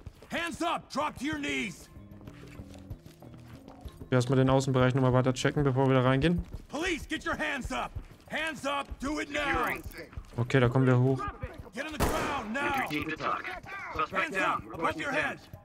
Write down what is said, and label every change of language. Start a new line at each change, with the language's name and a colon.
English: Hands up, drop to your knees.
German: Erstmal den Außenbereich nochmal weiter checken, bevor wir da reingehen.
English: Police, get your hands up. Hands up, do it now.
German: Okay, da kommen wir hoch.
English: Get on the ground now. Hands up, above your head.